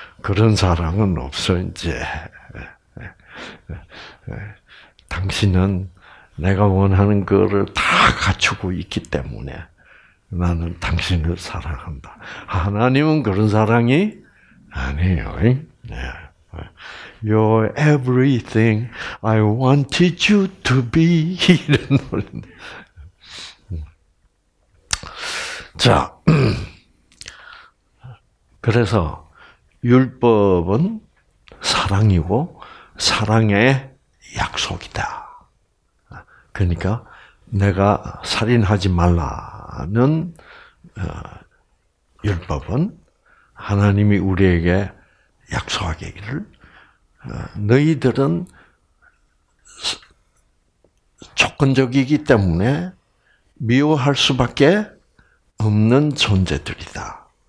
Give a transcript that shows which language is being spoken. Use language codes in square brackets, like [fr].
[ko] 그런 사랑은 없어, 이제. 당신은 내가 원하는 거를 다 갖추고 있기 때문에 나는 당신을 사랑한다. 하나님은 그런 사랑이 아니에요. 네. [en] You're everything I wanted you to be. [ko] 이런 노래. 자, 그래서 율법은 사랑이고 사랑의 약속이다. 그러니까 내가 살인하지 말라는 율법은 하나님이 우리에게 약속하기를 너희들은 조건적이기 때문에 미워할 수밖에 없는 존재들이다.